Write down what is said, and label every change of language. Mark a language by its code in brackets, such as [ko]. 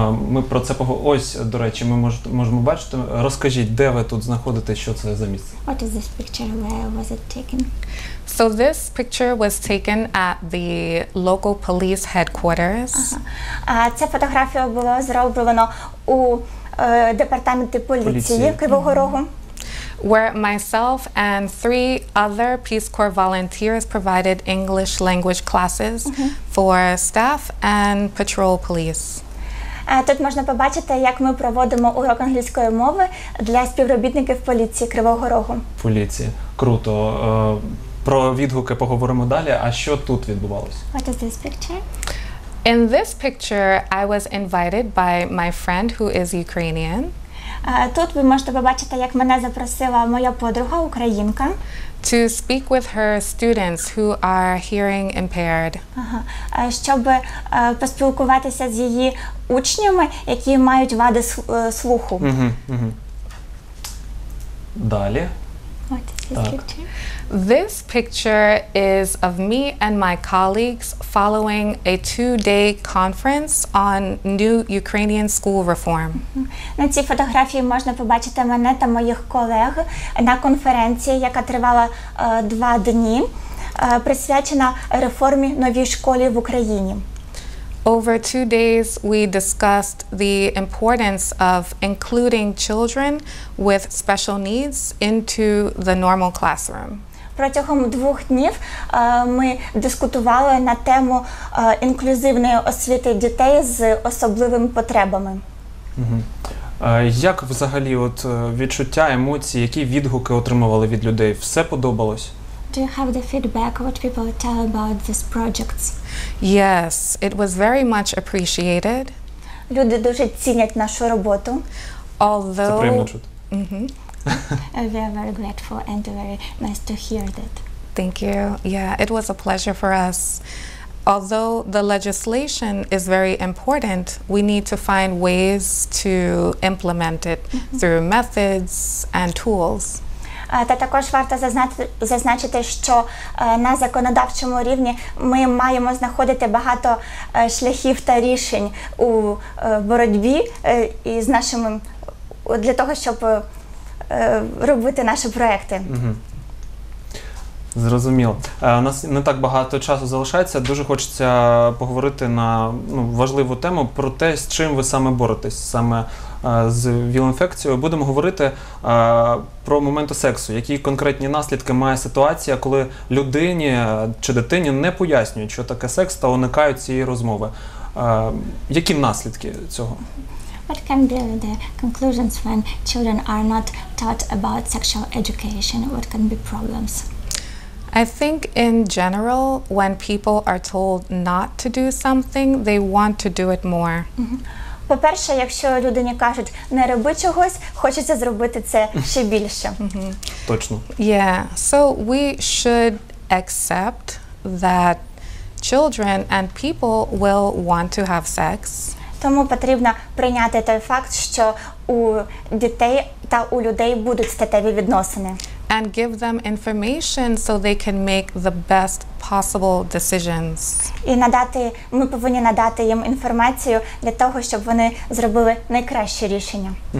[uk] Ми про це поговоримо. Ось, до речі, ми можемо бачити. Розкажіть, де ви тут знаходитесь, що це за місце? [en] What is this picture? Where was it taken? So this picture was taken at the local police headquarters. [uk] Ця фотографія була зроблена у департаменті поліції Кривого Рогу. [en] Where myself and three other Peace Corps volunteers provided English language classes for staff and patrol police. [uk] Тут можна побачити, як ми проводимо урок англійської мови для співробітників поліції Кривого Рогу. Поліції. Круто. Про відгуки поговоримо далі. А що тут відбувалося? [en] What is this picture? In this picture, I was invited by my friend who is Ukrainian. [uk] Тут ви можете побачити, як мене запросила моя подруга, українка. [en] To speak with her students who are hearing impaired. [uk] Щоб поспілкуватися з її учнями, які мають вади слуху. Далі. [en] What is this picture? This picture is of me and my colleagues following a two-day conference on new Ukrainian school reform. [uk] На цій фотографії можна побачити мене та моїх колег на конференції, яка тривала два дні, присвячена реформі нової школи в Україні. [en] Over 2 days, we discussed the importance of including children with special needs into the normal classroom. [uk] Протягом 2 днів ми дискутували на тему інклюзивної освіти дітей з особливими потребами. Як взагалі от відчуття, емоції, які відгуки отримували від людей? Все подобалось? [en] Do you have the feedback what people tell about these projects? Yes, it was very much appreciated. [uk] Люди дуже цінять нашу роботу. [en] Although, [uk] це приємно чути. [en] We are very grateful and very nice to hear that. Thank you. Yeah, it was a pleasure for us. Although the legislation is very important, we need to find ways to implement it through methods and tools. [uk] Та також варто зазначити, що на законодавчому рівні ми маємо знаходити багато шляхів та рішень у боротьбі із нашим для того, щоб робити наші проекти. Зрозуміло. У нас не так багато часу залишається. Дуже хочеться поговорити на важливу тему про те, з чим ви саме боретесь, саме з ВІЛ-інфекцією. Будемо говорити про моменти сексу. Які конкретні наслідки має ситуація, коли людині чи дитині не пояснюють, що таке секс, та уникають цієї розмови? Які наслідки цього? [en] What can be the conclusions when children are not taught about sexual education? What can be problems? I think in general, when people are told not to do something, they want to do it more. [uk] По-перше, якщо людині кажуть не роби чогось, хочеться зробити це ще більше. Точно. [en] Yeah. So we should accept that children and people will want to have sex. [uk] Тому потрібно прийняти той факт, що у дітей та у людей будуть статеві відносини. [en] And give them information so they can make the best possible decisions. [uk] І надати, ми повинні надати їм інформацію для того, щоб вони зробили найкраще рішення.